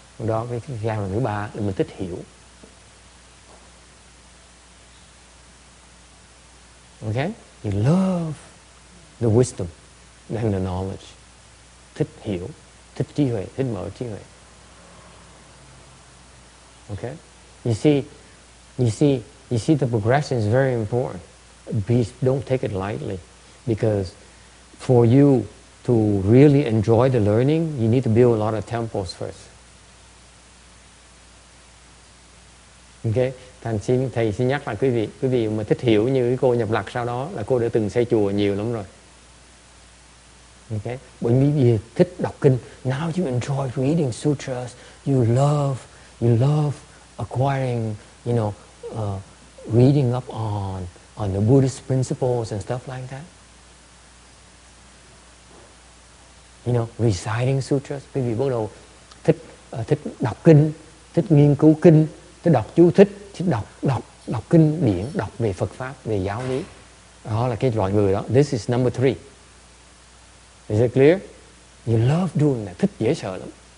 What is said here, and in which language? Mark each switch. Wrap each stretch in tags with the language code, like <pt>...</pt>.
<vi>Đó là cái giai đoạn thứ ba là mình thích hiểu.</vi> <en>Okay? You love the wisdom and the knowledge.</en> <vi>Thích hiểu, thích trí huệ, thích mở trí huệ.</vi> <en>Okay, you see the progression is very important. Don't take it lightly, because for you to really enjoy the learning, you need to build a lot of temples first.</en> <vi>Okay, thầy xin nhắc lại quý vị mà thích hiểu như cái cô nhập lạc sau đó là cô đã từng xây chùa nhiều lắm rồi. Okay, bởi vì thích đọc kinh.</vi> <en>Now you enjoy reading sutras. You love. Acquiring, you know, reading up on the Buddhist principles and stuff like that. You know, reciting sutras.</en> <vi>Quý vị bắt đầu thích đọc kinh, thích nghiên cứu kinh, thích đọc chú thích, thích đọc kinh điển, đọc về Phật pháp, về giáo lý. Đó là cái loại người đó.</vi> <en>This is number three. Is it clear? You love doing that.</en> <vi>Thích dễ sợ lắm.</vi>